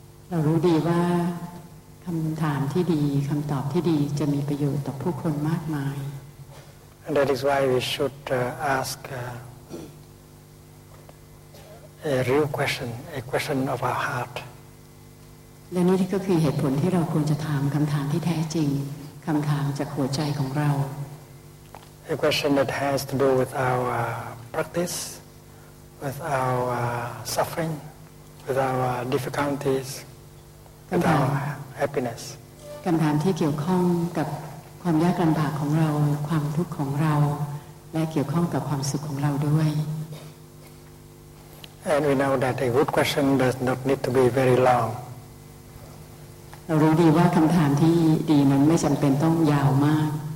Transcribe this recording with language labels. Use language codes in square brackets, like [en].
[en] And that is why we should ask a real question, a question of our heart. [th] และนี่ก็คือเหตุผลที่เราควรจะถามคำถามที่แท้จริงคำถามจากหัวใจของเรา [en] A question that has to do with our practice, with our suffering, with our difficulties, with our happiness. [th] คำถามที่เกี่ยวข้องกับความยากลำบากของเราความทุกข์ของเราและเกี่ยวข้องกับความสุขของเราด้วย [en] And we know that a good question does not need to be very long. [th] เรารู้ดีว่าคำถามที่ดีนั้นไม่จำเป็นต้องยาวมาก